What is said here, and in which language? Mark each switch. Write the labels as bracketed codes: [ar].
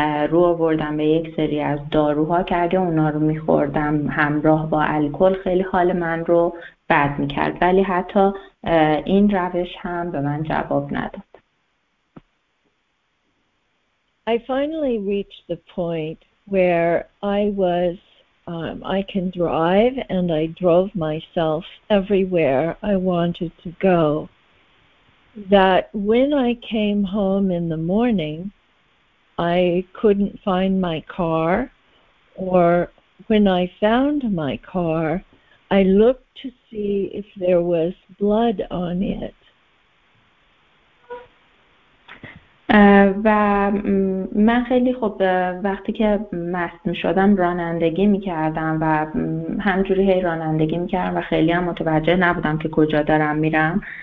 [fa] رو آوردم به یک سری از داروها که اگه اونا رو میخوردم همراه با الکل خیلی حال من رو بد میکرد، ولی حتی این روش هم به من جواب نداد. [en] I finally reached the point where I was, I can drive, and I drove myself everywhere I wanted to go. That when I came home in the morning, I couldn't find my car, or when I found my car, I looked to see if there was blood on it. [fa] و من خیلی خب وقتی که مست می شدم رانندگی می کردم و همجوری هی رانندگی می کردم و خیلی هم متوجه نبودم که کجا دارم میرم.